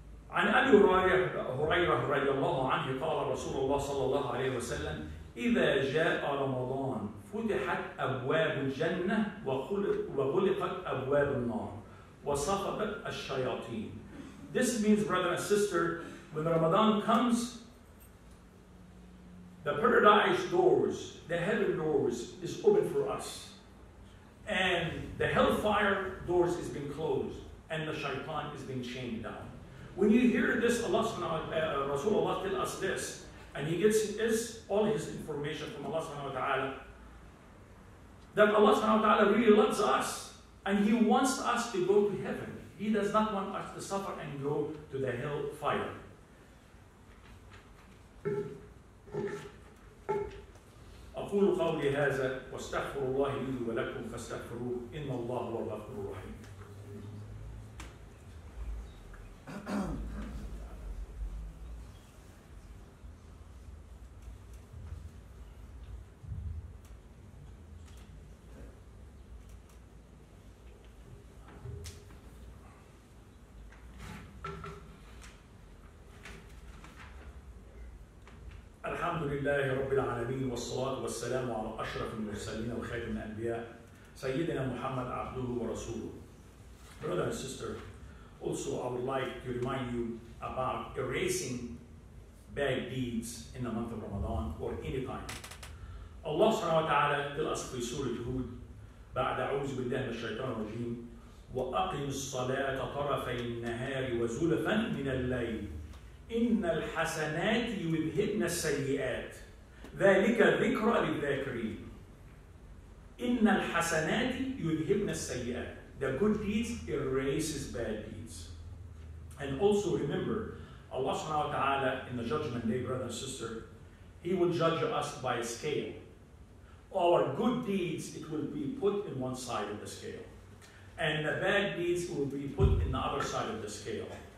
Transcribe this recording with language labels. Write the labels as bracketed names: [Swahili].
[Arabic] عن أبي هريرة رضي الله عنه قال رسول الله صلى الله عليه وسلم إذا جاء رمضان فتحت أبواب الجنة وغلقت أبواب النار وصفقت الشياطين. [English] This means, brother and sister, when Ramadan comes, the paradise doors, the heaven doors, is open for us. And the hellfire doors is being closed, and the shaitan is being chained down. When you hear this, Allah subhanahu wa ta'ala, Rasulullah tell us this, and he gets this, all his information from Allah subhanahu wa ta'ala, that Allah subhanahu wa ta'ala really loves us and He wants us to go to heaven. He does not want us to suffer and go to the hell fire. [Arabic] أقول قولي هذا واستغفر الله لي ولكم فاستغفروه إن الله هو الغفور الرحيم. لله رب العالمين والصلاة والسلام على أشرف المرسلين وخاتم الأنبياء سيدنا محمد عبده ورسوله. [English] Brother and sister, also I would like to remind you about erasing bad deeds in the month of Ramadan or any time. [Arabic] Allah subhanahu wa ta'ala [English] tells us in Surah Hud, [Arabic] بعد أعوذ بالله من الشيطان الرجيم وأقم الصلاة طرفي النهار وزلفا من الليل إن الحسنات يذهبن السيئات ذلك ذكرى للذاكرين إن الحسنات يذهبن السيئات. [English] The good deeds erases bad deeds. And also remember, Allah subhanahu wa ta'ala in the judgment day, brother and sister, He will judge us by a scale. Our good deeds, it will be put in one side of the scale. And the bad deeds will be put in the other side of the scale.